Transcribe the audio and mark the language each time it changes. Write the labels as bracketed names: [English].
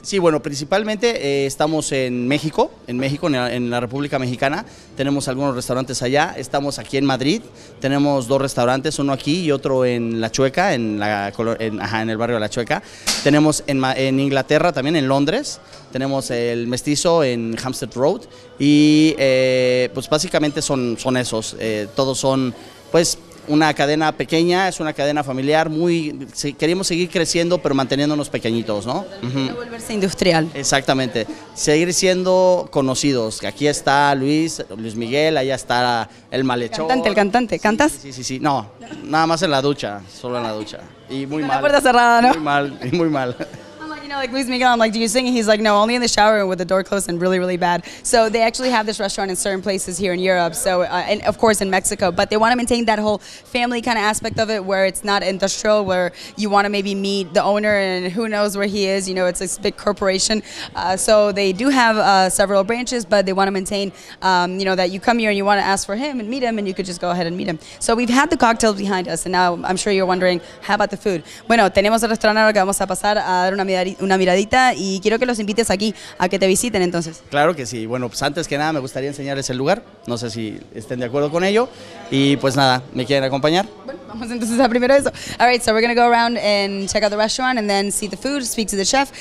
[Spanish] Sí, bueno, principalmente estamos en México, en la República Mexicana, tenemos algunos restaurantes allá, estamos aquí en Madrid, tenemos dos restaurantes, uno aquí y otro en La Chueca, en el barrio de La Chueca, tenemos en Inglaterra también, en Londres, tenemos el Mestizo en Hampstead Road y pues básicamente son esos, todos son pues una cadena pequeña, es una cadena familiar, queríamos seguir creciendo pero manteniéndonos pequeñitos, ¿no? Uh-huh. Volverse industrial. Exactamente, seguir siendo conocidos, aquí está Luis Miguel, allá está el malhechor. El cantante, ¿cantas? Sí, no, nada más en la ducha, solo en la ducha y muy mal. La puerta cerrada, ¿no? Muy mal. [English] You know, like Luis Miguel, I'm like, do you sing? He's like, no, only in the shower with the door closed and really, really bad. So they actually have this restaurant in certain places here in Europe. So, and of course in Mexico, but they want to maintain that whole family kind of aspect of it where it's not industrial, where you want to maybe meet the owner and who knows where he is. You know, it's a big corporation. So they do have several branches, but they want to maintain, you know, that you come here and you want to ask for him and meet him and you could just go ahead and meet him. So we've had the cocktails behind us and now I'm sure you're wondering, how about the food? [Spanish] Bueno, tenemos el restaurante ahora que vamos a pasar a dar una miradita y quiero que los invites aquí a que te visiten entonces. Claro que sí. Bueno, pues antes que nada me gustaría enseñarles el lugar. No sé si estén de acuerdo con ello. Y pues nada, ¿me quieren acompañar? Bueno, vamos entonces a primero eso. [English] All right, so we're going to go around and check out the restaurant and then see the food, speak to the chef.